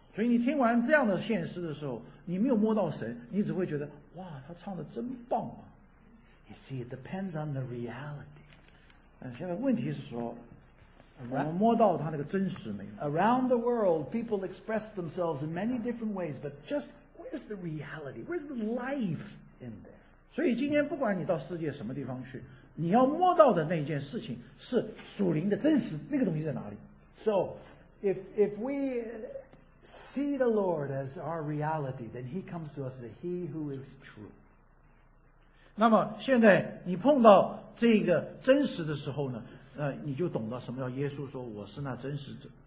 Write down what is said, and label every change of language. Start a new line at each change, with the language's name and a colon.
Chinese: 所以你听完这样的献诗的时候，你没有摸到神，你只会觉得哇，他唱的真棒啊。
English: You see, it depends on the reality.
Chinese: 现在问题是说，我们摸到他那个真实没有？
English: Around the world, people express themselves in many different ways, but just where's the reality? Where's the life in there?
Chinese: 所以今天不管你到世界什么地方去，你要摸到的那件事情是属灵的真实，那个东西在哪里？
English: So, if we see the Lord as our reality, then He comes to us as He who is true.
Chinese: 那么现在你碰到这个真实的时候呢，你就懂得什么叫耶稣说我是那真实者。